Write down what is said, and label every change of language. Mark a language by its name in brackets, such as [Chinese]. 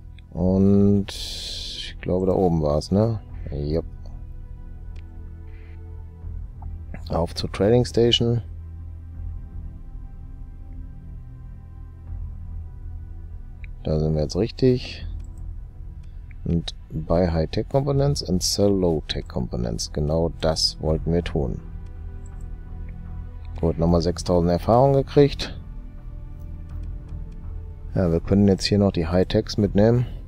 [German] Und ich glaube da oben war es, ne? Jupp. Auf zur Trading Station. Da sind wir jetzt richtig. [English] Und buy high-tech components and sell low-tech components. [German] Genau das wollten wir tun. Gut, nochmal 6000 Erfahrung gekriegt. Ja, wir können jetzt hier noch die High-Techs mitnehmen.